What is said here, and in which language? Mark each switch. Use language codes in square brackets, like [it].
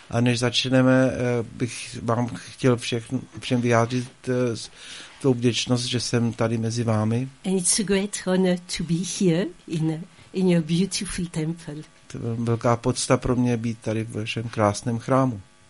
[cs] A než začneme, bych vám chtěl všem vyjádřit tu vděčnost, že jsem tady mezi vámi. [en] And it's a great honor to be here in your beautiful temple. [cs] To je velká pocta pro mě být tady v vašem krásném chrámu.